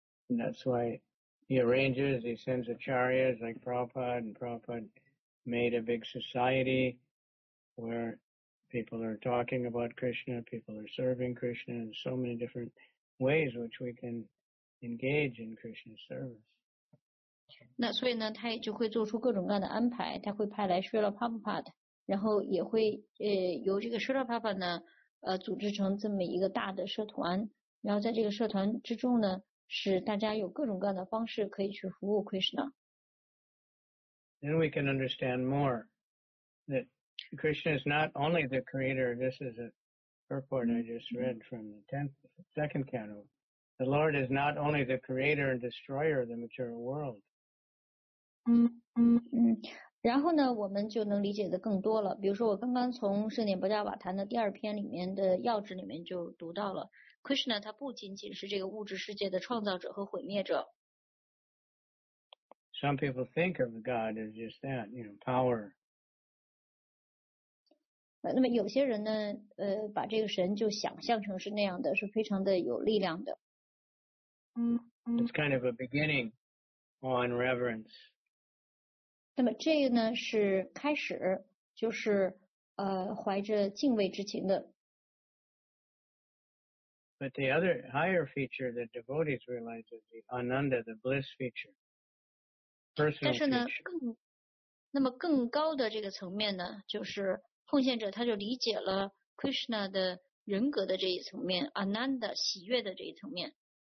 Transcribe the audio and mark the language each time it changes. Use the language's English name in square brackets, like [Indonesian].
[English] And that's why he arranges, he sends acharyas like Prabhupada, and Prabhupada made a big society where people are talking about Krishna, people are serving Krishna in so many different ways which we can. Engage in Krishna's service. [Chinese] 那所以呢，他也就会做出各种各样的安排。他会派来 Srila Prabhupada， 然后也会由这个 Srila Prabhupada 呢组织成这么一个大的社团。然后在这个社团之中呢，使大家有各种各样的方式可以去服务 Krishna。 [English] Then we can understand more that Krishna is not only the creator. This is a purport I just read from the second canto. The Lord is not only the creator and destroyer of the material world. [Chinese] 然后呢，我们就能理解的更多了。比如说，我刚刚从《圣典薄伽瓦坛》的第二篇里面的要旨里面就读到了 ，Krishna 他不仅仅是这个物质世界的创造者和毁灭者。 [English] Some people think of God as just that, you know, power. [Chinese] 那么有些人呢，把这个神就想象成是那样的，是非常的有力量的。 [English] It's kind of a beginning on reverence. [Chinese] 那么这个呢是开始，就是怀着敬畏之情的。 [English] But the other higher feature that devotees realize is the ananda, the bliss feature, personal feature. [Chinese] 但是呢，更高的这个层面呢，就是奉献者他就理解了 Krishna 的人格的这一层面 ，ananda 喜悦的这一层面。